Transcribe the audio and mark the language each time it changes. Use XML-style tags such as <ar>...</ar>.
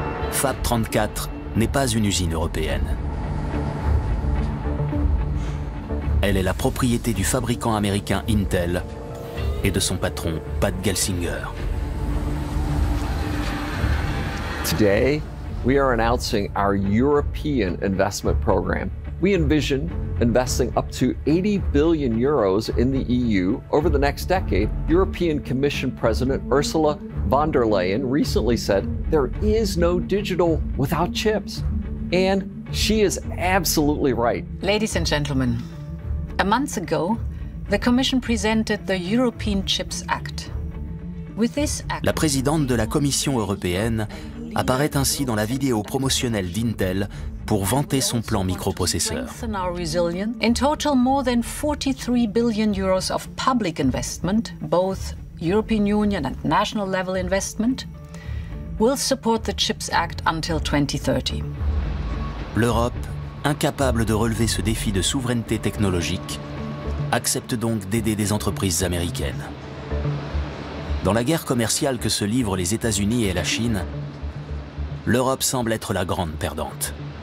<fr>Fab 34 n'est pas une usine européenne. Elle est la propriété du fabricant américain Intel et de son patron, Pat Gelsinger.</fr> <en>Today, we are announcing our European investment program. We envision investing up to 80 billion euros in the EU over the next decade. European Commission President Ursula von der Leyen recently said there is no digital without chips. And she is absolutely right. Ladies and gentlemen, a month ago, the Commission presented the European Chips Act. With this act,</en> <fr>la présidente de la Commission européenne apparaît ainsi dans la vidéo promotionnelle d'Intel pour vanter son plan microprocesseur.</fr> <en>In total, more than 43 billion euros of public investment, both European Union and national level investment, will support the Chips Act until 2030.</en> <fr>L'Europe, incapable de relever ce défi de souveraineté technologique, accepte donc d'aider des entreprises américaines. Dans la guerre commerciale que se livrent les États-Unis et la Chine, l'Europe semble être la grande perdante.</fr>